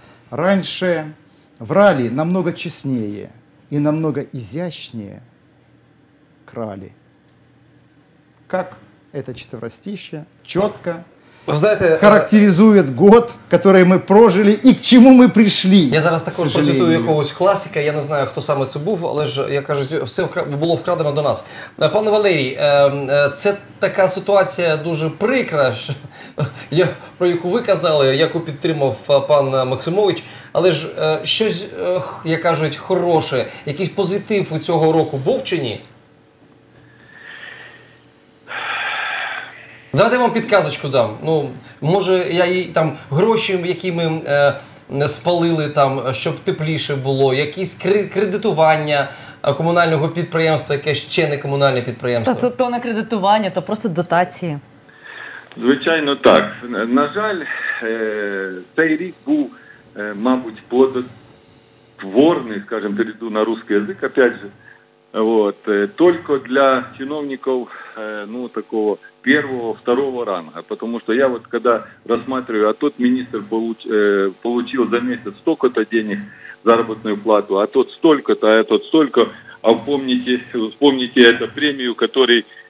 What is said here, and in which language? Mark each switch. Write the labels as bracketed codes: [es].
[ru] Раньше врали намного честнее и намного изящнее крали». Как это четверостище четко характеризует год, который [uk] ми прожили і к чому ми прийшли. Я зараз також процитую якогось класика, я не знаю, хто саме це був, але ж, як кажуть, все було вкрадено до нас. Пане Валерій, це така ситуація дуже прикра, про яку ви казали, яку підтримав пан Максимович, але ж щось, як кажуть, хороше, якийсь позитив у цього року був чи ні? Давайте вам підказочку дам. Ну, може, я і там гроші, які ми спалили там, щоб тепліше було, якісь кредитування комунального підприємства, яке ще не комунальне підприємство. Та то не кредитування, то просто дотації. Звичайно, так. На жаль, цей рік був, мабуть, плодотворний, [ru] скажем, перейду на русский язык, опять же. Вот, только для чиновников, ну, такого первого, второго ранга, потому что я вот когда рассматриваю, а тот министр получил за месяц столько-то денег заработную плату, а тот столько-то, а этот столько, а вспомните эту премию, которую